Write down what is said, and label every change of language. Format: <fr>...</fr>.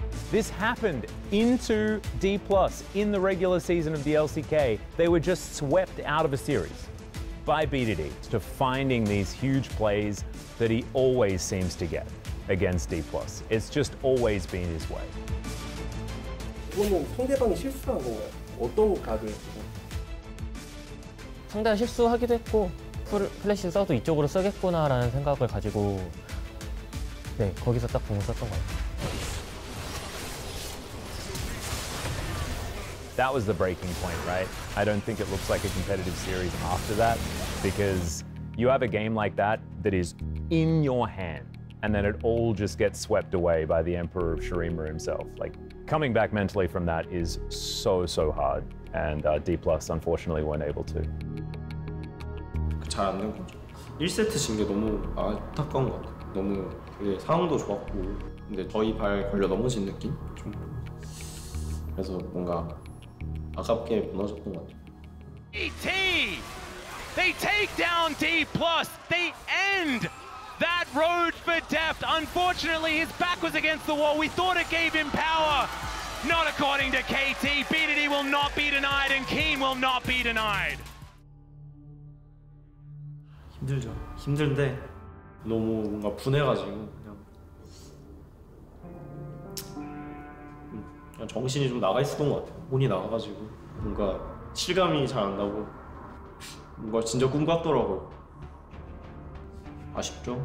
<en>This happened into D+, in the regular season of the LCK. They were just swept out of a series by BDD to finding these huge plays that he always seems to get against D+. It's just always been his way.</en> <ko>이거는 상대방이 실수한 거예요. 어떤 가드였어요? 상대가 실수하기도 했고, 플래시 써도 이쪽으로 쓰겠구나라는 생각을 가지고 네, 거기서 딱 공을 썼던 거 같아요.</ko> <en>That was the breaking point, right? I don't think it looks like a competitive series after that because you have a game like that that is in your hand and then it all just gets swept away by the Emperor of Shurima himself. Like, coming back mentally from that is so, so hard and D+, unfortunately, weren't able to.</en> <ko>잘 안 된 거죠. 1세트 진 게 너무 안타까운 것 같아. 너무 되게 상황도 좋았고 근데 저희 발 걸려 넘어진 느낌? 좀 그래서 뭔가 아깝게 무너졌던 것 같아요.</ko> <en>KT! They take down D+. They end that road for Deft. Unfortunately, his back was against the wall. We thought it gave him power. Not according to KT. BDD will not be denied and Keen will not be denied.</en> <ko>힘들죠. 힘든데 너무 뭔가 분해가지고 정신이 좀 나가 있었던 것 같아요. 혼이 나가가지고 뭔가 실감이 잘 안 나고 뭔가 진짜 꿈 같더라고요. 아쉽죠.</ko>